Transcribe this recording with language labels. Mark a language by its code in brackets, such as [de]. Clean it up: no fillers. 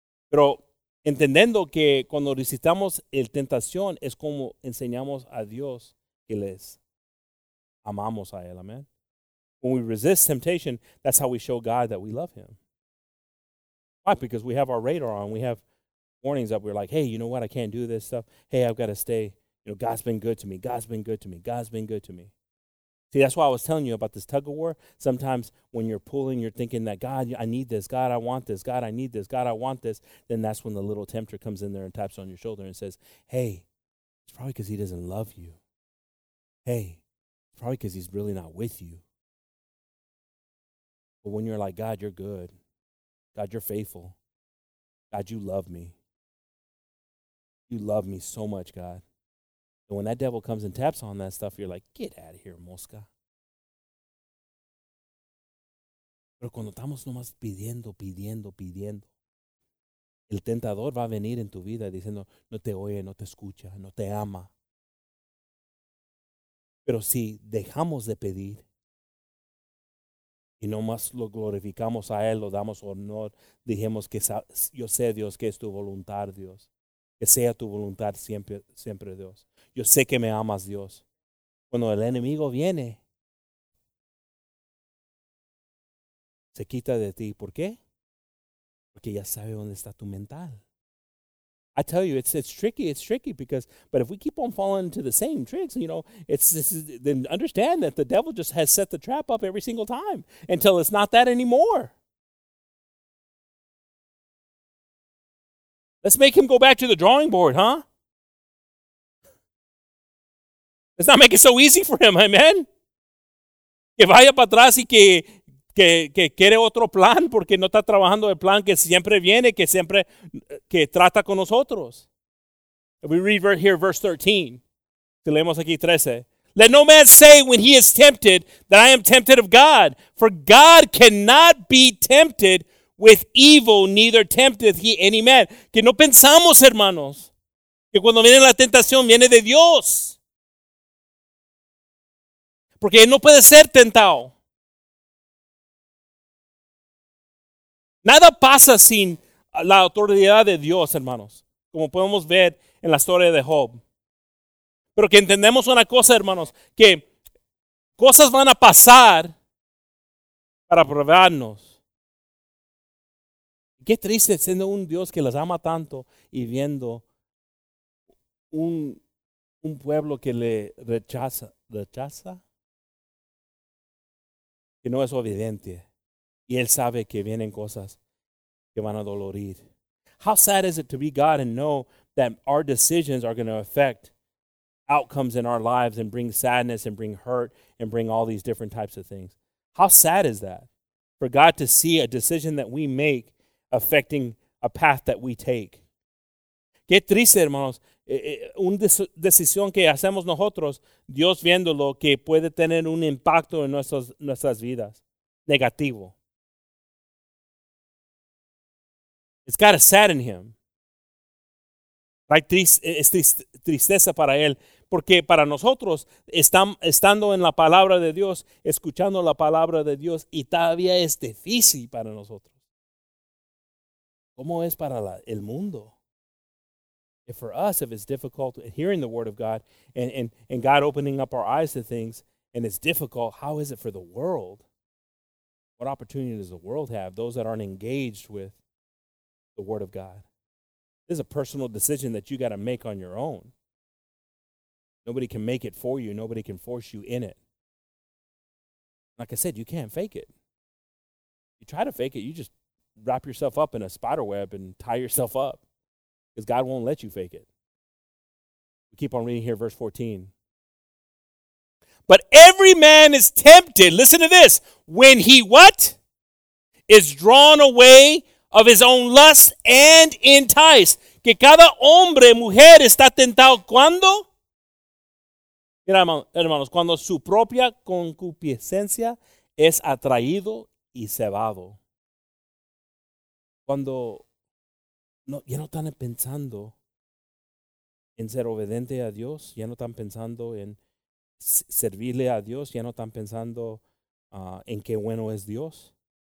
[es] Pero entendiendo que cuando resistamos la tentación es como enseñamos a Dios que les amamos a él. [en] Amen. When we resist temptation, that's how we show God that we love him. Why? Because we have our radar on. We have warnings up. We're like, hey, you know what? I can't do this stuff. Hey, I've got to stay. You know, God's been good to me. God's been good to me. God's been good to me. See, that's why I was telling you about this tug of war. Sometimes when you're pulling, you're thinking that, God, I need this. God, I want this. God, I need this. God, I want this. Then that's when the little tempter comes in there and taps on your shoulder and says, hey, it's probably because he doesn't love you. Hey, it's probably because he's really not with you. But when you're like, God, you're good. God, you're faithful. God, you love me. You love me so much, God. And when that devil comes and taps on that stuff, you're like, get out of here, mosca. [es] Pero cuando estamos nomás pidiendo, el tentador va a venir en tu vida diciendo, no te oye, no te escucha, no te ama. Pero si dejamos de pedir y nomás lo glorificamos a él, lo damos honor, dijimos que yo sé, Dios, que es tu voluntad, Dios. Que sea tu voluntad siempre, siempre, Dios. Yo sé que me amas, Dios. Cuando el enemigo viene, se quita de ti. ¿Por qué? Porque ya sabe dónde está tu mental. [en] I tell you, it's tricky because, but if we keep on falling into the same tricks, you know, then understand that the devil just has set the trap up every single time until it's not that anymore. Let's make him go back to the drawing board, huh? Let's not make it so easy for him, amen? [es] Que vaya para atrás y que que quiere otro plan porque no está trabajando el plan que siempre viene, que siempre que trata con nosotros. [en] We read right here verse 13. [es] Si leemos aquí 13. [en] Let no man say when he is tempted that I am tempted of God. For God cannot be tempted with evil, neither tempteth he any man. [es] Que no pensamos, hermanos, que cuando viene la tentación viene de Dios. Porque él no puede ser tentado. Nada pasa sin la autoridad de Dios, hermanos. Como podemos ver en la historia de Job. Pero que entendemos una cosa, hermanos, que cosas van a pasar para probarnos. Qué triste siendo un Dios que las ama tanto y viendo un pueblo que le rechaza, que no es obediente. Y él sabe que vienen cosas que van a dolorir. [en] How sad is it to be God and know that our decisions are going to affect outcomes in our lives and bring sadness and bring hurt and bring all these different types of things. How sad is that? For God to see a decision that we make affecting a path that we take. [es] Qué triste, hermanos. Una decisión que hacemos nosotros, Dios viéndolo, que puede tener un impacto en nuestras vidas. Negativo. [en] It's got to sadden him. Right? [es] Es tristeza para él. Porque para nosotros, estando en la palabra de Dios, escuchando la palabra de Dios, y todavía es difícil para nosotros. ¿Cómo es para el mundo? [en] If for us, if it's difficult hearing the word of God and God opening up our eyes to things, and it's difficult, how is it for the world? What opportunity does the world have, those that aren't engaged with the word of God? This is a personal decision that you got to make on your own. Nobody can make it for you. Nobody can force you in it. Like I said, you can't fake it. You try to fake it, you just wrap yourself up in a spider web and tie yourself up, because God won't let you fake it. We keep on reading here, verse 14. But every man is tempted, listen to this, when he what? Is drawn away of his own lust and enticed. [es] Que cada hombre, mujer, está tentado cuando? Mira, hermanos, cuando su propia concupiscencia es atraído y cebado. Cuando ya no están pensando en ser obediente a Dios, ya no están pensando en servirle a Dios, ya no están pensando en qué bueno es Dios.